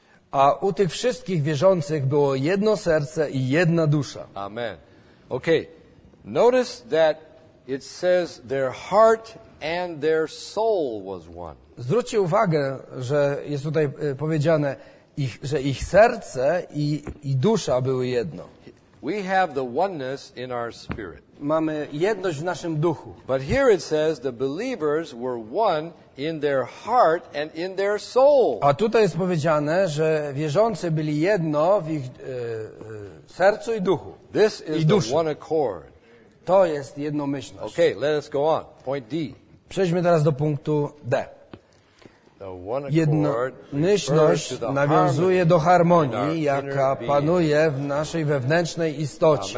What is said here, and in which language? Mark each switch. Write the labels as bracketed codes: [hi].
[pl] A u tych wszystkich wierzących było jedno serce i jedna dusza. Amen. [en] Okay, notice that it says their heart and their soul was one. [pl] Zwróćcie uwagę, że jest tutaj powiedziane, że ich serce i dusza były jedno. [en] We have the oneness in our spirit. [pl] Mamy jedność w naszym duchu. [en] But here it says the believers were one in their heart and in their soul. [pl] A tutaj jest powiedziane, że wierzący byli jedno w ich sercu i duchu. [en] This is the one accord. [pl] To jest jednomyślność. [en] Okay, let us go on. Point D. [pl] Przejdźmy teraz do punktu D. Jednomyślność nawiązuje do harmonii, jaka panuje w naszej wewnętrznej istocie.